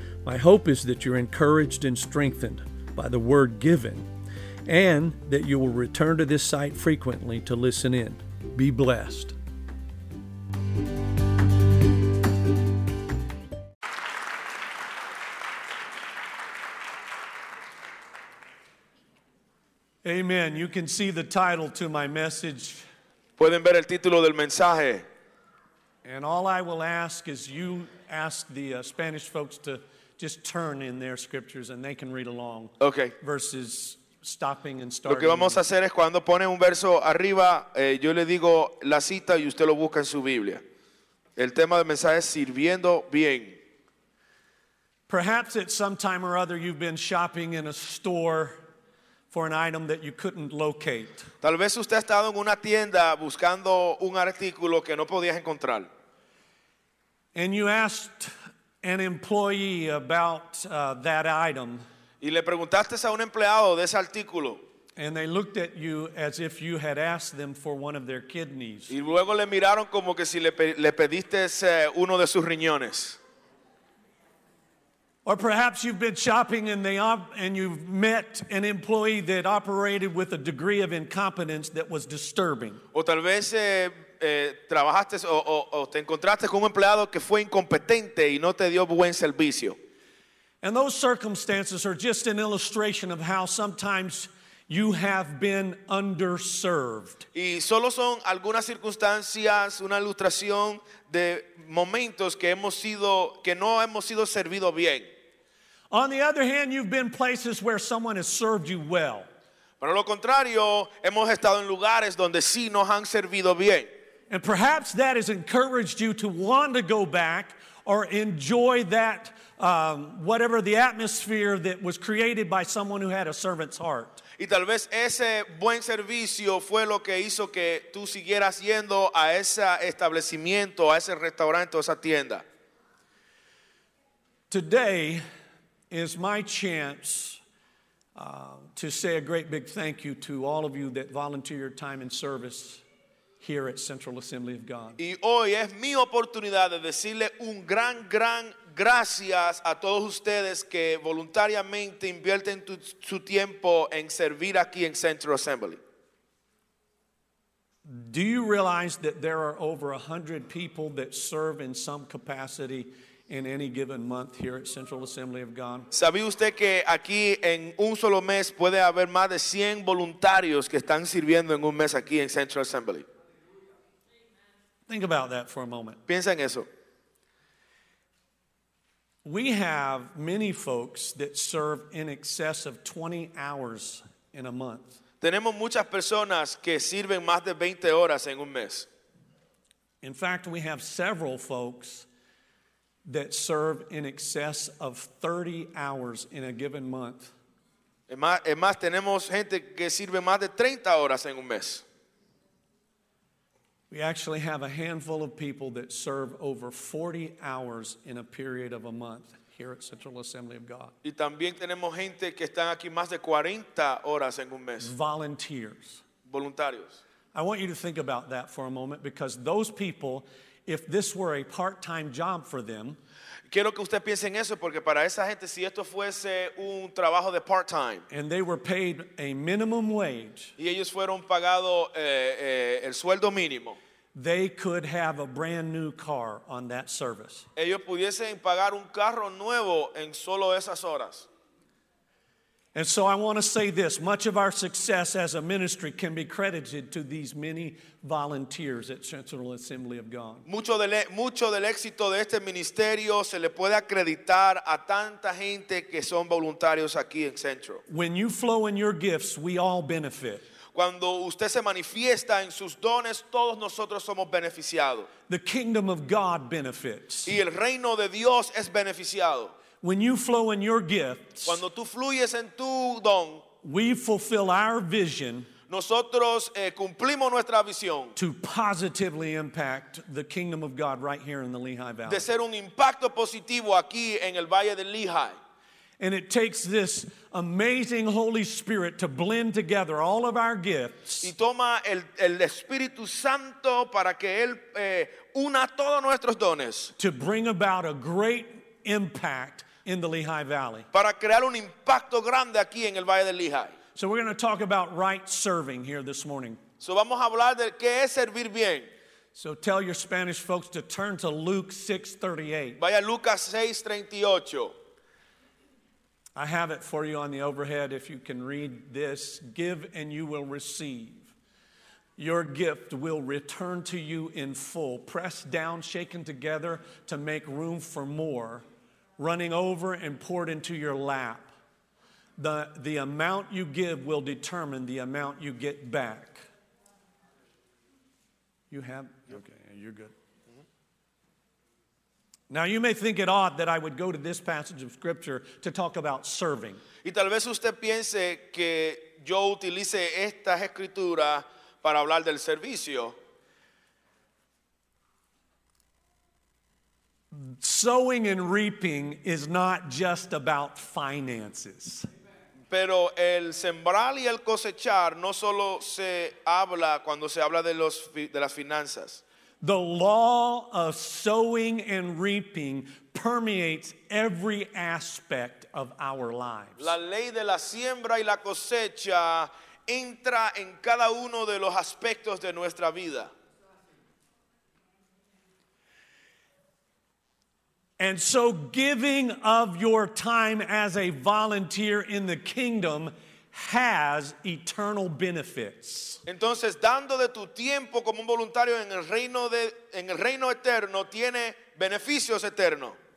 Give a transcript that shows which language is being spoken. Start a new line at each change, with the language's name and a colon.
English: My hope is that you're encouraged and strengthened by the word given, and that you will return to this site frequently to listen in. Be blessed. Amen. You can see the title to my message.
Spanish: Pueden ver el título del mensaje.
English: And all I will ask is you ask the Spanish folks to just turn in their scriptures and they can read along. Okay. Verses stopping and starting.
Spanish: Lo que vamos a hacer es cuando ponen un verso arriba, yo le digo la cita y usted lo busca en su Biblia. El tema del mensaje es sirviendo bien.
English: Perhaps at some time or other you've been shopping in a store for an item that you couldn't locate.
Spanish: Tal vez usted ha estado en una tienda buscando un artículo que no podías encontrar.
English: And you asked an employee about that item.
Spanish: Y le preguntaste a un empleado de ese artículo.
English: And they looked at you as if you had asked them for one of their kidneys.
Spanish: Y luego le miraron como que si le pediste uno de sus riñones.
English: Or perhaps you've been shopping and you've met an employee that operated with a degree of incompetence that was disturbing.
Spanish: O tal vez trabajaste o te encontraste con un empleado que fue incompetente y no te dio buen servicio.
English: And those circumstances are just an illustration of how sometimes you have been underserved.
Spanish: Y solo son algunas circunstancias, una ilustración de momentos que no hemos sido servido bien.
English: On the other hand, you've been places where someone has served you well.
Spanish: Pero lo contrario, hemos estado en lugares donde sí nos han servido bien.
English: And perhaps that has encouraged you to want to go back or enjoy that whatever the atmosphere that was created by someone who had a servant's heart.
Spanish: Y tal vez ese buen servicio fue lo que hizo que tú siguieras yendo a ese establecimiento, a ese restaurante, a esa tienda.
English: Today is my chance to say a great big thank you to all of you that volunteer your time and service here at Central Assembly of God.
Spanish: Y hoy es mi oportunidad de decirle un gran, gran gracias a todos ustedes que voluntariamente invierten su tiempo en servir aquí en Central Assembly.
English: Do you realize that there are over 100 people that serve in some capacity in any given month here at Central Assembly of God?
Spanish: ¿Sabía usted que aquí en un solo mes puede haber más de 100 voluntarios que están sirviendo en un mes aquí en Central Assembly?
English: Think about that for a moment.
Spanish: Piensa en eso.
English: We have many folks that serve in excess of 20 hours in a month.
Spanish: Tenemos muchas personas que sirven más de 20 horas en un mes.
English: In fact, we have several folks that serve in excess of 30 hours in a given month.
Spanish: Es más, tenemos gente que sirve más de 30 horas en un mes.
English: We actually have a handful of people that serve over 40 hours in a period of a month here at Central Assembly of God.
Spanish: Y también tenemos gente que están aquí más de 40 horas en un mes.
English: Volunteers.
Spanish: Voluntarios.
English: I want you to think about that for a moment, because those people, if this were a part-time job for them,
Spanish: quiero que usted piense en eso, porque para esa gente, si esto fuese un trabajo de part-time,
English: and they were paid a minimum wage,
Spanish: y ellos fueron pagados el sueldo mínimo,
English: they could have a brand new car on that service.
Spanish: Ellos pudiesen pagar un carro nuevo en solo esas horas.
English: And so I want to say this: much of our success as a ministry can be credited to these many volunteers at Central Assembly of God.
Spanish: Mucho del éxito de este ministerio se le puede acreditar a tanta gente que son voluntarios aquí en Central.
English: When you flow in your gifts, we all benefit.
Spanish: Cuando usted se manifiesta en sus dones, todos nosotros somos beneficiados.
English: The kingdom of God benefits.
Spanish: Y el reino de Dios es beneficiado.
English: When you flow in your gifts,
Spanish: cuando tú fluyes en tu don,
English: we fulfill our vision.
Spanish: Nosotros cumplimos nuestra visión
English: to positively impact the kingdom of God right here in the Lehigh Valley.
Spanish: De ser un impacto positivo aquí en el Valle del Lehigh.
English: And it takes this amazing Holy Spirit to blend together all of our gifts.
Spanish: Y toma el Espíritu Santo para que él una todos nuestros dones.
English: To bring about a great impact in the Lehigh Valley.
Spanish: Para crear un impacto grande aquí en el Valle del Lehigh.
English: So we're going to talk about right serving here this morning.
Spanish: So vamos a hablar de qué es servir bien.
English: So tell your Spanish folks to turn to Luke 6:38.
Spanish: Vaya Lucas 6:38.
English: I have it for you on the overhead if you can read this. Give and you will receive. Your gift will return to you in full. Pressed down, shaken together to make room for more. Running over and poured into your lap. The amount you give will determine the amount you get back. You have? Okay, you're good. Now you may think it odd that I would go to this passage of scripture to talk about serving.
Spanish: Y tal vez usted piense que yo utilice estas escrituras para hablar del servicio.
English: Sowing and reaping is not just about finances.
Spanish: Pero el sembrar y el cosechar no solo se habla cuando se habla de las finanzas.
English: The law of sowing and reaping permeates every aspect of our lives.
Spanish: La ley de la siembra y la cosecha entra en cada uno de los aspectos de nuestra vida.
English: And so giving of your time as a volunteer in the kingdom has eternal benefits.
Spanish: Entonces, dando de tu tiempo como un voluntario en el reino eterno tiene beneficios eternos.